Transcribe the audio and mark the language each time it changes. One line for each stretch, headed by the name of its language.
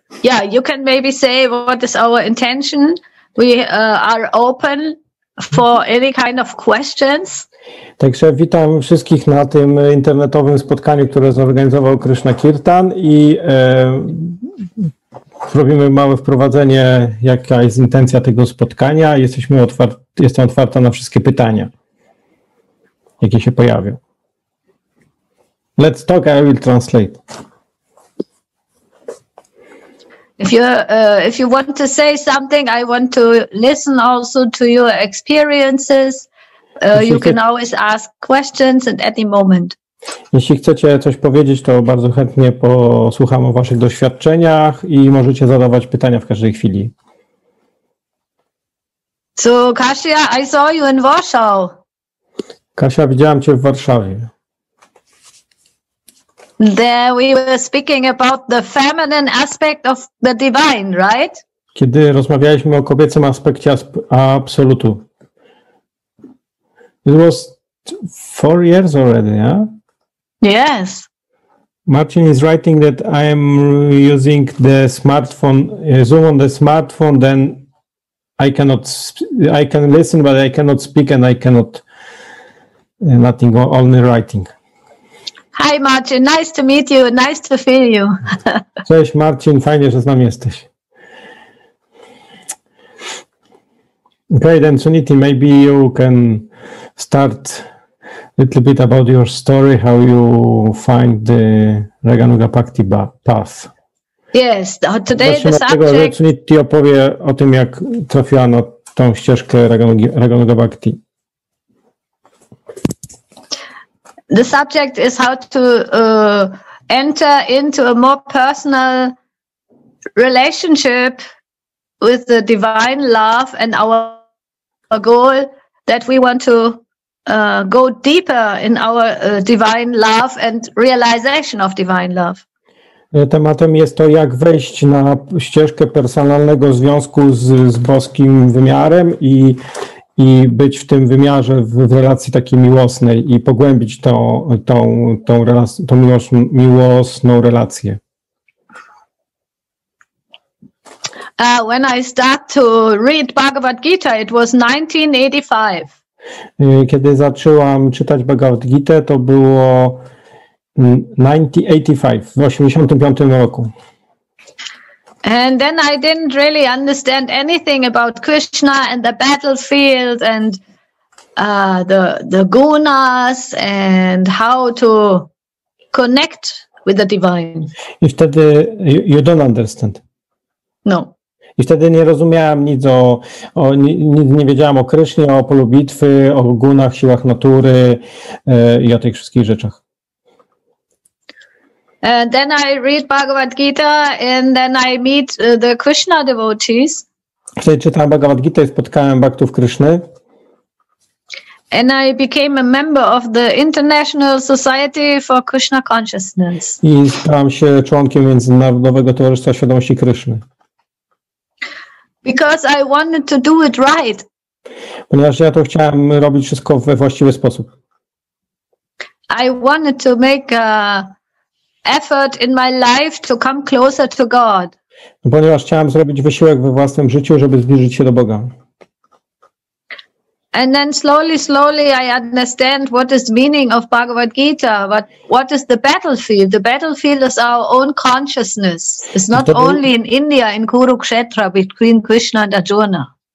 English: Yeah, you can maybe say what is our intention. We are open for any kind of questions.
Polish: Także witam wszystkich na tym internetowym spotkaniu, które zorganizował KrysznaKirtan i robimy małe wprowadzenie, jaka jest intencja tego spotkania. Jestem otwarta na wszystkie pytania, jakie się pojawią.
English: Let's talk, I will translate. If you want to say something, I want to listen also to your experiences. You can always ask questions at any moment.
Polish: Jeśli chcecie coś powiedzieć, to bardzo chętnie posłucham o waszych doświadczeniach i możecie zadawać pytania w każdej chwili.
English: So, Kasia, I saw you in Warsaw.
Polish: Kasia, widziałam cię w Warszawie.
English: There we were speaking about the feminine aspect of the divine, right?
Polish: Kiedy rozmawialiśmy o kobiecym aspekcie absolutu.
English: It was 4 years already, yeah? Yes. Martin is writing that I am using the smartphone, Zoom on the smartphone, then I can listen, but I cannot speak and I cannot nothing, only writing. Hi Marcin, nice to meet you, nice to feel you.
Polish: Cześć Marcin, fajnie, że z nami jesteś.
English: Okay, then Suniti, maybe you can start a little bit about your story, how you find the Raganuga Bhakti path. Yes, today the subject...
Polish: Tego, że Suniti opowie o tym, jak trafiła na tą ścieżkę Raganuga Bhakti.
English: The subject is how to enter into a more personal relationship with the divine love and our goal that we want to go deeper in our divine love and realization of divine love.
Polish: Tematem jest to, jak wejść na ścieżkę personalnego związku z boskim wymiarem i być w tym wymiarze, w relacji takiej miłosnej i pogłębić tą miłosną relację.
English: When I start to read Bhagavad Gita, it was 1985.
Polish: Kiedy zaczęłam czytać Bhagavad Gita, to było 1985, w 85 roku.
English: And then I didn't really understand anything about Krishna and the battlefield and the gunas and how to connect with the divine.
Polish: I wtedy
English: you don't understand. No.
Polish: I wtedy nie rozumiałem nic nie wiedziałem o Krysznie, o polu bitwy, o gunach, siłach natury i o tych wszystkich rzeczach.
English: And then I read Bhagavad Gita and then I meet the Krishna devotees.
Polish: Wtedy czytałem Bhagavad Gita i spotkałem bhaktów Kryszny.
English: And I became a member of the International Society for Krishna Consciousness.
Polish: I stałem się członkiem Międzynarodowego Towarzystwa Świadomości Kryszny.
English: Because I wanted to do it right.
Polish: Ponieważ ja to chciałem robić wszystko we właściwy sposób.
English: I wanted to make a effort in my life to come closer to God.
Polish: Ponieważ chciałem zrobić wysiłek we własnym życiu, żeby zbliżyć się do Boga.
English: And then slowly I understand what is meaning of Bhagavad Gita, but what is the battlefield? The battlefield is our own consciousness. It's not only in India, in Kurukshetra, between Krishna and Arjuna.